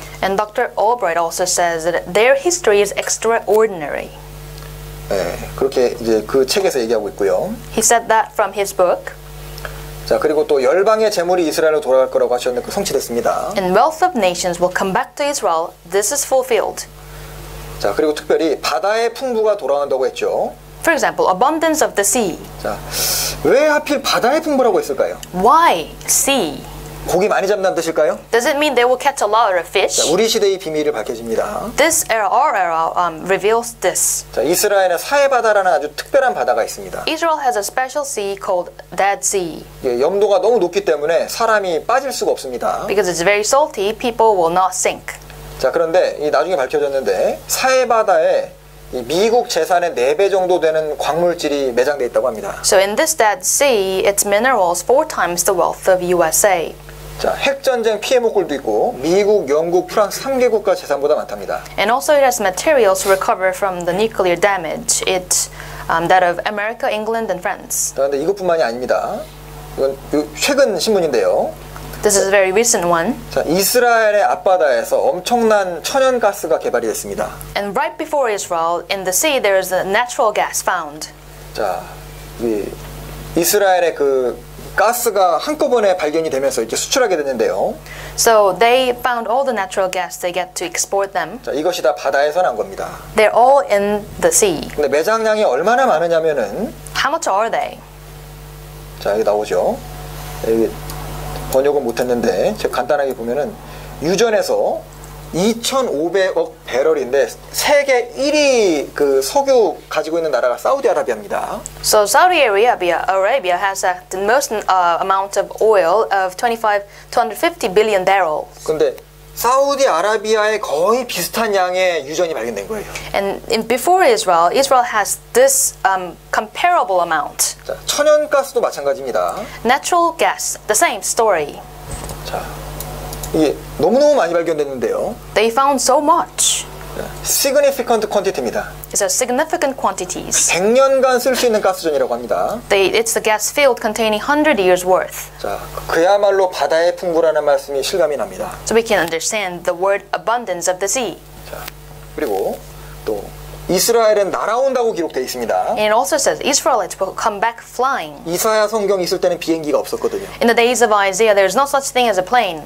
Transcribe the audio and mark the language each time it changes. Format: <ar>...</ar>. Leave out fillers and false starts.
<en>And Dr. Albright also says that their history is extraordinary.</en> <ko>네, 그렇게 이제 그 책에서 얘기하고 있고요.</ko> <en>He said that from his book.</en> <ko>자, 그리고 또 열방의 재물이 이스라엘로 돌아갈 거라고 하셨는데 그 성취됐습니다.</ko> <en>And wealth of nations will come back to Israel. This is fulfilled.</en> <ko>자, 그리고 특별히 바다의 풍부가 돌아온다고 했죠.</ko> <en>For example, abundance of the sea.</en> <ko>자, 왜 하필 바다의 풍부라고 했을까요?</ko> <en>Why sea?</en> <ko>고기 많이 잡는 뜻일까요?</ko> <en>Does it mean they will catch a lot of fish?</en> <ko>자, 우리 시대의 비밀이 밝혀집니다.</ko> <en>This era, our era, reveals this.</en> <ko>자, 이스라엘의 사해바다라는 아주 특별한 바다가 있습니다.</ko> <en>Israel has a special sea called Dead Sea.</en> <ko>예, 염도가 너무 높기 때문에 사람이 빠질 수가 없습니다.</ko> <en>Because it's very salty, people will not sink.</en> <ko>자, 그런데 이 나중에 밝혀졌는데 사해바다에 이 미국 재산의 4배 정도 되는 광물질이 매장돼 있다고 합니다.</ko> <en>So in this Dead Sea, its minerals four times the wealth of USA.</en> <ko>자, 핵전쟁 피해 목걸도 있고 미국, 영국, 프랑스 3개 국가 재산보다 많답니다.</ko> <en>And also it has materials to recover from the nuclear damage. It's that of America, England, and France.</en> <ko>그런데 이것뿐만이 아닙니다. 이건 최근 신문인데요.</ko> <en>This is a very recent one.</en> <ko>자, 이스라엘의 앞바다에서 엄청난 천연가스가 개발이 됐습니다.</ko> <en>And right before Israel, in the sea, there is a natural gas found.</en> <ko>자, 이스라엘의 그 가스가 한꺼번에 발견이 되면서 이제 수출하게 됐는데요.</ko> <en>So they found all the natural gas they get to export them.</en> <ko>자, 이것이 다 바다에서 난 겁니다.</ko> <en>They're all in the sea.</en> <ko>근데 매장량이 얼마나 많으냐면은</ko> <en>How much are they?</en> <ko>자, 여기 나오죠. 여기 번역은 못 했는데 제가 간단하게 보면은 유전에서 2,500억 배럴인데 세계 1위 그 석유 가지고 있는 나라가 사우디아라비아입니다.</ko> <en>So Saudi Arabia has the most amount of oil of 250 billion barrels.</en> <ko>근데 사우디아라비아에 거의 비슷한 양의 유전이 발견된 거예요.</ko> <en>And before Israel has this comparable amount.</en> <ko>자, 천연가스도 마찬가지입니다.</ko> <en>Natural gas, the same story.</en> <ko>자, 이게 너무너무 많이 발견됐는데요.</ko> <en>They found so much. Significant quantity</en> <ko>입니다.</ko> <en>It's a significant quantity.</en> <ko>100년간 쓸 수 있는 가스전이라고 합니다.</ko> <en>It's a gas field containing 100 years worth.</en> <ko>자, 그야말로 바다의 풍부라는 말씀이 실감이 납니다.</ko> <en>So we can understand the word abundance of the sea.</en> <ko>자, 그리고 또 이스라엘은 날아온다고 기록되어 있습니다.</ko> <en>And it also says Israelites will come back flying.</en> <ko>이사야 성경 있을 때는 비행기가 없었거든요.</ko> <en>In the days of Isaiah, there is not such thing as a plane.</en>